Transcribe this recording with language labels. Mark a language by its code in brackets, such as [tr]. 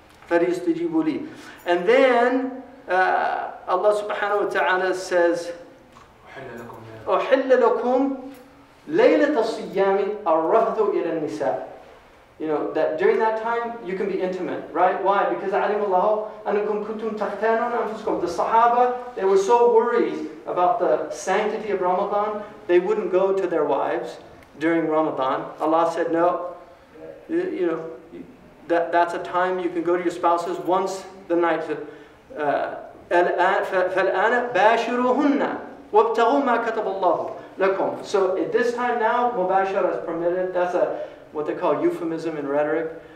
[ar] فَلْيَسْتَجِيبُ لِي. [en] And then, Allah subhanahu wa ta'ala says, [ar] أُحِلَّ لَكُمْ لَيْلَةَ الصِّيَّامِ الرَّفْضُ إِلَى النِّسَاءِ. [en] You know, that during that time, you can be intimate, right? Why? Because [ar] عَلِمُ اللَّهُ أَنَكُمْ كُنْتُمْ تَخْتَانُونَ أَنفُسْكُمْ. [en] The Sahaba, they were so worried about the sanctity of Ramadan, they wouldn't go to their wives during Ramadan. Allah said, no, you know, That's a time you can go to your spouses once the night. [ar] فالآن باشروهن وابتغوا ما كتب الله لكم. [en] So at this time now, مباشرة is permitted. That's a what they call euphemism in rhetoric.